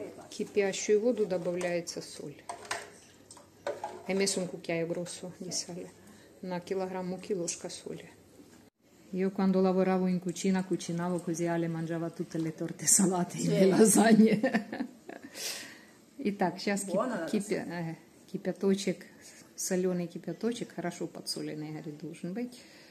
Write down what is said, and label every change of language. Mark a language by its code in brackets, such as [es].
[ru] Кипящую воду добавляется соль. [it] Я messo un cucchiaio grosso di sale. [ru] На килограмм муки ложка соли. [it] Io quando lavoravo in cucina, cucinavo così, Ale mangiava tutte le torte salate e le lasagne. [ru] Итак, сейчас кипяточек. Соленый кипяточек, хорошо подсоленный, говорит, должен быть.